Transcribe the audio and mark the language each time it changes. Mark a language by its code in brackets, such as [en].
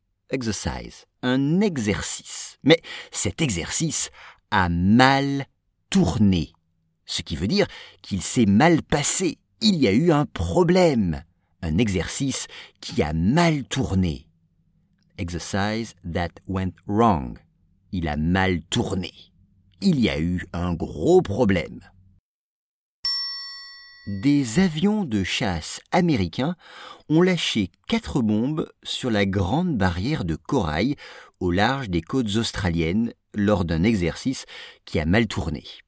[en] Exercise, [fr] un exercice. Mais cet exercice a mal tourné. Ce qui veut dire qu'il s'est mal passé. Il y a eu un problème, un exercice qui a mal tourné. [en] Exercise that went wrong. [fr] Il a mal tourné. Il y a eu un gros problème. Des avions de chasse américains ont lâché 4 bombes sur la grande barrière de corail au large des côtes australiennes lors d'un exercice qui a mal tourné.